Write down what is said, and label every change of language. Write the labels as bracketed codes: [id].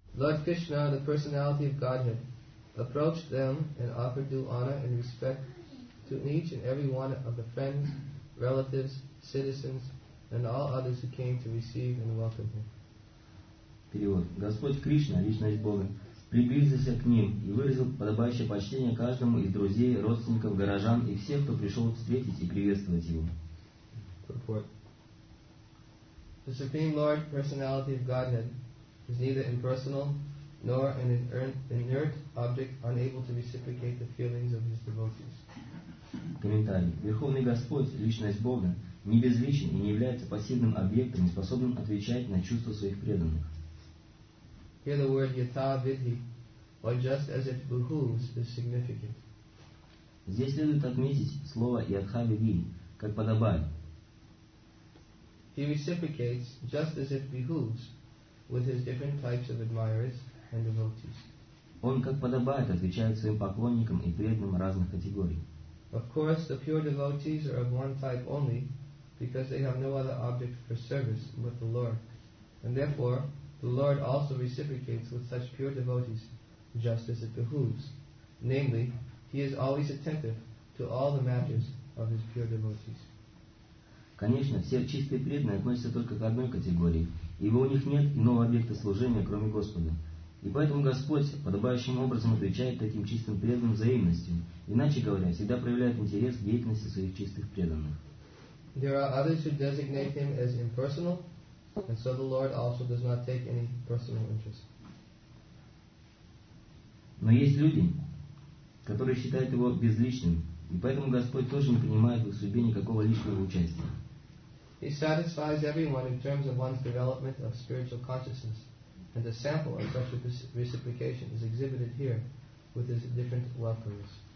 [en] Lord Krishna, the personality of Godhead, approached them and offered due honor and respect to each and every one of the friends, relatives, citizens, and all others who came to receive and welcome him. [ru] Перевод. Господь Кришна, личность Бога, приблизился к ним и выразил подобающее почтение каждому из друзей, родственников, горожан и всех, кто пришел встретить и приветствовать его. [en] Purport. The Supreme Lord, personality of Godhead, is neither impersonal nor an inert object unable to reciprocate the feelings of his devotees. [ru] Комментарий. Верховный Господь, личность Бога, не безличен и не является пассивным объектом, не способным отвечать на чувства своих преданных. [en] Hear the word yatha vidhi, or just as it behooves, is significant. [ru] Здесь следует отметить слово yatha vidhi, как подобает. [en] He reciprocates just as it behooves with his different types of admirers and devotees. [ru] Он как подобает отвечает своим поклонникам и преданным разных категорий. [en] Of course, the pure devotees are of one type only, because they have no other object for service but the Lord, and therefore the Lord also reciprocates with such pure devotees just as it behooves. Namely, he is always attentive to all the matters of his pure devotees. [ru] Конечно, все чистые преданные относятся только к одной категории, ибо у них нет иного объекта служения, кроме Господа. И поэтому Господь подобающим образом отвечает таким чистым преданным взаимностью, иначе говоря, всегда проявляет интерес к деятельности своих чистых преданных. [en] There are others who designate him as impersonal, and so the Lord also does not take any personal interest. [ru] Но есть люди, которые считают его безличным, и поэтому Господь тоже не принимает в их судьбе никакого личного участия. [en] He satisfies everyone in terms of one's development of spiritual consciousness, and a sample of such reciprocation is exhibited here with his different welcomes.